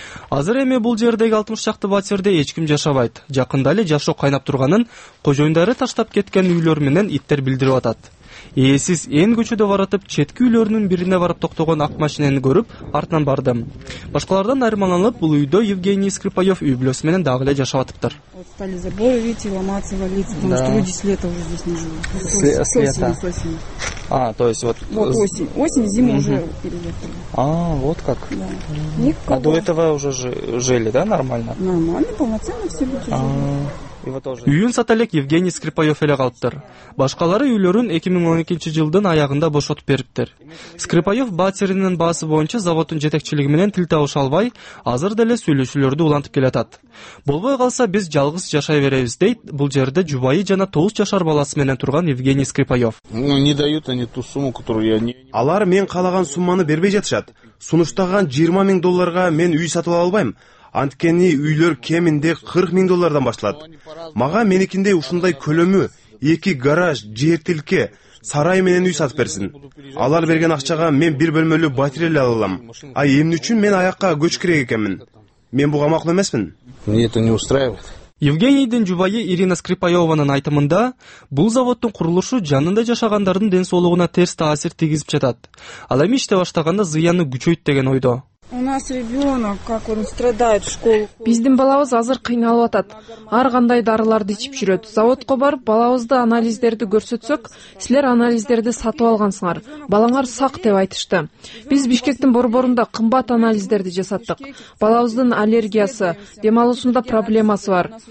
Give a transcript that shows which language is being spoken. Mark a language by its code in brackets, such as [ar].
[ky] Азыр эми бул жердеги 60 чакты батирде эч ким жашабайт. Жакында эле жашоо кайнап турганын кожоюндары таштап кеткен үйлөр менен иттер билдирип атат. Ээсиз эн көчөдө баратып четки үйлөрүнүн бирине барып токтогон ак машинени көрүп артынан бардым. Башкалардан айырмаланып бул үйдө Евгений Скрипаев үй бүлөсү менен дагы эле жашап атыптыр. [ru] Вот стали заборы, видите, ломаться, валиться, потому что люди с лета уже здесь не живут. С осени. То есть вот... Вот осень, зима уже переехала. Вот как? Да. Никого. А до этого уже жили, да, нормально? Нормально, полноценно все люди жили. [ky] Үйүн сата элек Евгений Скрипаев эле калыптыр. Башкалары үйлөрүн 2012 жылдын аягында бошотуп бериптир. Скрипаев батиринин баасы боюнча заводдун жетекчилиги менен тил табыша албай, азыр деле сүйлөшүүлөрдү улантып келатат. Болбой калса биз жалгыз жашай беребиз, дейт бул жерде жубайы жана 9 жашар баласы менен турган Евгений Скрипаев. [ru] Не дают они ту сумму, которую я не... [ky] Алар мен каалаган сумманы бербей жатышат. Сунуштаган 20,000 долларга мен үй сатып албайм. Анткени үйлөр кеминде 40,000 доллардан башталат. Мага меникиндей ушундай көлөмү, 2 гараж, жертилке, сарай менен үй сатып берсин. Алар берген акчага мен бир бөлмөлүү батир эле ала алам. Ай эмне үчүн мен аякка көч керек экенмин? Мен буга макул эмесмин. [ru] Мне это не устраивает. [ky] Евгенийдин жубайы Ирина Скрипаеванын айтымында, бул заводдун курулушу жанында жашагандардын ден соолугуна терс таасир тийгизип жатат. Ал эми иште баштаганда зыяны күчөйт деген ойдо. [ru] У нас ребенок, как он страдает в школу. [ky] Биздин балабыз азыр кыйналып атат. Ар кандай дарыларды ичип жүрөт. Заводко барып, балабызды анализдерди көрсөтсөк, силер анализдерди сатып алгансыңар. Балаңар сак деп айтышты. Биз Бишкектин борборунда кымбат анализдерди жасаттык. Балабыздын аллергиясы, дем алуусунда проблемасы бар.